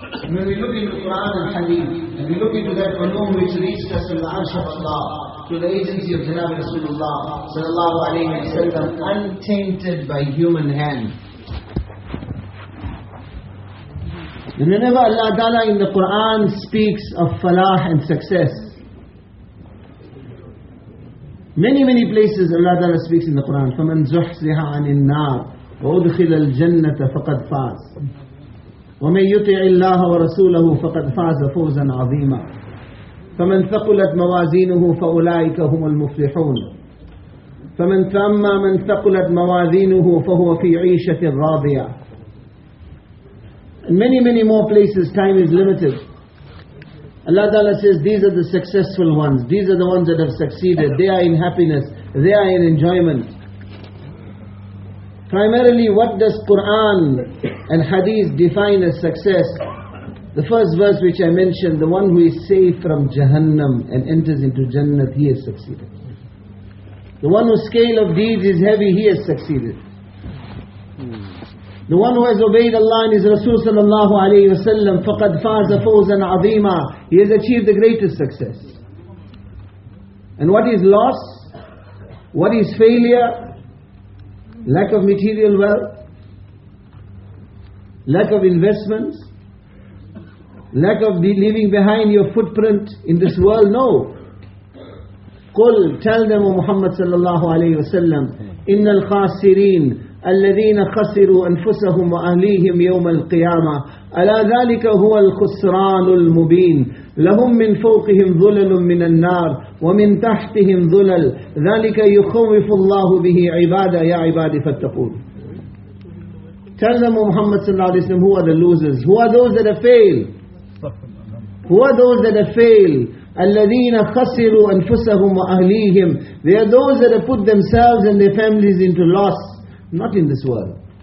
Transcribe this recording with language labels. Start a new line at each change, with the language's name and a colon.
English: When we look into Quran and Hadith, and we look into that alone which reached us from the Arsh of Allah, to the agency of Janab Rasulullah sallallahu alayhi wa sallam, untainted by human hand. And whenever Allah Ta'ala in the Quran
Arabic: speaks of falah and success, many, many places Allah Ta'ala speaks in the Quran, فَمَنْ زُحْزِحَ عَنِ النَّارِ وَأُدْخِلَ الْجَنَّةَ فَقَدْ فَازَ وَمَنْ يُطِعِ اللَّهَ وَرَسُولَهُ فَقَدْ فَازَ فَوْزًا عَظِيمًا فَمَنْ ثَقُلَتْ مَوَازِينُهُ فَأُولَئِكَ هُمُ الْمُفْلِحُونَ فَمَنْ ثَمَّ مَنْ ثَقُلَتْ مَوَازِينُهُ فَهُوَ فِي عِيشَةٍ رَاضِيَةٍ.
English: Many, many more places, time is limited. Allah Ta'ala says, these are the successful ones, these are the ones that have succeeded, they are in happiness, they are in enjoyment. Primarily, what does Quran and Hadith define as success? The first verse which I mentioned, the one who is saved from Jahannam and enters into Jannah, he has succeeded. The one whose scale of deeds is heavy, he has succeeded. The one who has obeyed Allah and His Rasul sallallahu alayhi wa sallam,
Arabic: فَقَدْ فَازَ فَوْزًا عَظِيمًا,
English: he has achieved the greatest success. And what is loss? What is failure? Lack of material wealth? Lack of investments? Lack of leaving behind your footprint in this world? No.
Arabic: قُلْ,
English: tell them, O Muhammad sallallahu alayhi wa sallam,
Arabic: إِنَّ الْخَاسِرِينَ الَّذِينَ خَسِرُوا أَنفُسَهُمْ وَأَهْلِيهِمْ يَوْمَ الْقِيَامَةِ أَلَا ذَلِكَ هُوَ الْخُسْرَانُ الْمُبِينُ لَهُمْ مِنْ فَوْقِهِمْ ظُلَلٌ مِنَ النَّارِ وَمِنْ تَحْتِهِمْ ظُلَلٌ ذَلِكَ يُخَوِّفُ اللَّهُ بِهِ عِبَادَهُ يَا عِبَادِ فَاتَّقُونِ.
English: Tell them, Muhammad صلى الله عليه وسلم, who are the losers? Who are those that have failed? Who are those that have failed?
Arabic: الَّذِينَ خَسِرُوا أَنفُسَهُمْ وَأَهْلِيهِمْ.
English: They are those that have put themselves and their families into loss. Not in this world.